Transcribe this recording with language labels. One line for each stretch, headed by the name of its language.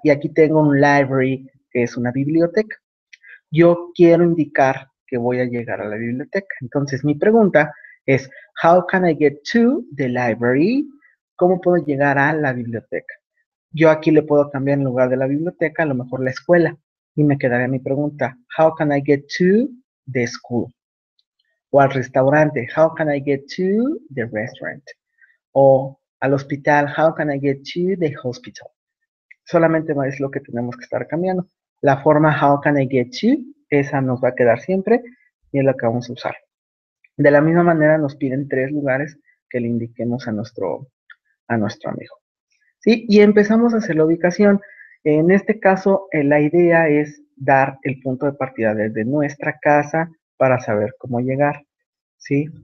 Spanish: Y aquí tengo un library, que es una biblioteca. Yo quiero indicar que voy a llegar a la biblioteca.
English: Entonces, mi pregunta es, how can I get to the library?
Spanish: ¿Cómo puedo llegar a la biblioteca? Yo aquí le puedo cambiar en lugar de la biblioteca, a lo mejor la escuela.
English: Y me quedaría mi pregunta, how can I get to the school? O al restaurante, how can I get to the restaurant? O al hospital, how can I get to the hospital?
Spanish: Solamente es lo que tenemos que estar cambiando. La forma how can I get to, esa nos va a quedar siempre y es la que vamos a usar. De la misma manera nos piden tres lugares que le indiquemos a nuestro amigo. ¿Sí? Y empezamos a hacer la ubicación. En este caso, la idea es dar el punto de partida desde nuestra casa para saber cómo llegar. ¿Sí?